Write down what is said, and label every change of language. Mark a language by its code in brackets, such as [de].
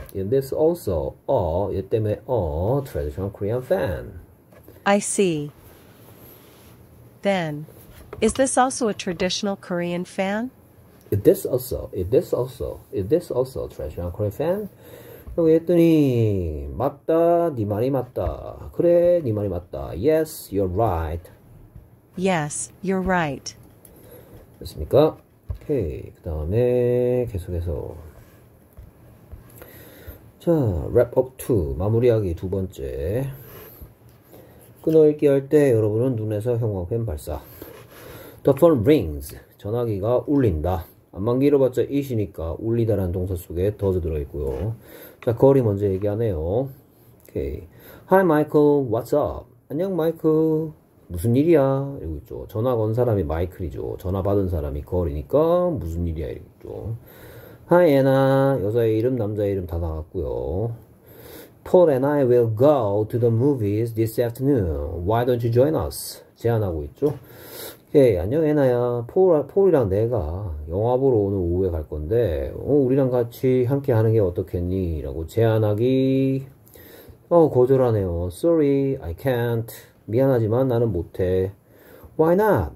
[en] Is this also a [ko] 얘 때문에 [en] a traditional Korean fan. I see. Then, is this also a traditional Korean fan? Is this also traditional Korean fan? [ko] 라고 했더니, 맞다, 네 말이 맞다. 그래, 네 말이 맞다. [en] Yes, you're right. Yes, you're right. [ko] 됐습니까? 오케이. 그 다음에 계속해서. 자, wrap up 2. 마무리하기 두 번째. 끊어읽기 할때 여러분은 눈에서 형광펜 발사. [en] The phone rings. [ko] 전화기가 울린다. 안만 길어봤자 이시니까 울리다라는 동사 속에 does 들어있고요. 자, 거리 먼저 얘기하네요. 오케이. [en] Hi, Michael. What's up? [ko] 안녕, 마이클. 무슨 일이야? 이러고 있죠. 전화 건 사람이 마이클이죠. 전화 받은 사람이 거리니까 무슨 일이야? 이러고 있죠. [en] Hi, Anna. [ko] 여자의 이름, 남자의 이름 다 나왔고요. [en] Paul and I will go to the movies this afternoon. Why don't you join us? [ko] 제안하고 있죠. 예, 안녕, 애나야. 폴이랑 내가 영화 보러 오늘 오후에 갈 건데, 우리랑 같이 함께 하는 게 어떻겠니? 라고 제안하기. 거절하네요. [en] Sorry, I can't. [ko] 미안하지만 나는 못해. [en] Why not?